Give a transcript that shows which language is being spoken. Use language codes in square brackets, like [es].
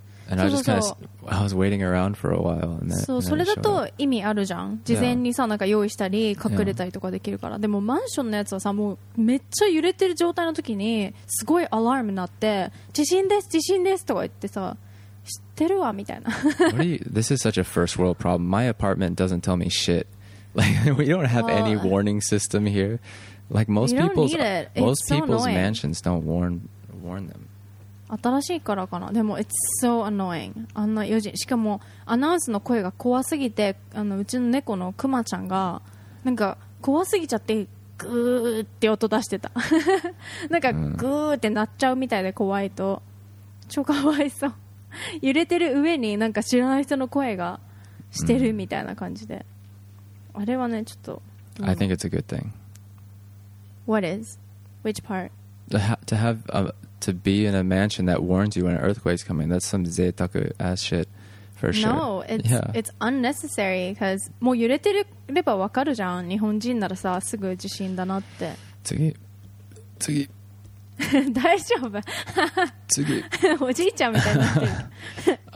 [en] And I just kind of I was waiting around for a while and then, [ja] そう、 [en] and then [ja] それだと意味あるじゃん。事前にさ、なんか用意したり隠れたりとかできるから。でもマンションのやつはさ、もうめっちゃ揺れてる状態の時にすごいアラームになって、地震です地震ですとか言ってさ、知ってるわみたいな。 [en] What are you, this is such a first world problem. My apartment doesn't tell me shit. Like we don't have any warning system here. Like most people's most people's mansions don't warn them. [ja] 新しいからかな。でも [en] it's so annoying、 [ja] あんな4時、しかもアナウンスの声が怖すぎて、あのうちの猫のクマちゃんがなんか怖すぎちゃってグーって音出してた。なんかグーって鳴っちゃうみたいで怖いと、超かわいそう。揺れてる上になんか知らない人の声がしてるみたいな感じで、あれはねちょっと、 [en] I think it's a good thing. What is? Which part? To have aTo be in a mansion that warns you when an earthquake is coming, that's some zetaku ass shit, for sure. No, it's,、yeah. it's unnecessary, because [ja] もう揺れてれば分かるじゃん。日本人ならさ、すぐ地震だなって。次。次。大丈夫。次。おじいちゃんみたいになってる。